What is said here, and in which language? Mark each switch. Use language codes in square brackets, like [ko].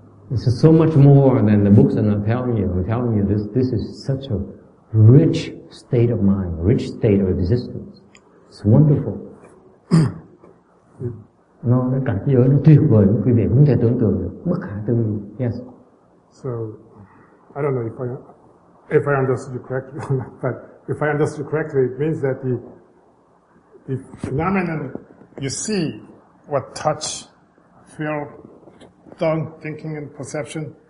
[en] This is so much more than the books are not telling you. I'm telling you this is such a rich state of mind, rich state of existence. It's wonderful. No, the [vi] cảnh giới nó tuyệt vời, quý vị không thể tưởng tượng được, bất khả tư nghị. [en] Yes. So, I don't know if I understood you correctly, but if I understood you correctly, it means that the phenomenon you see, what touch, feel, tongue, thinking, and perception,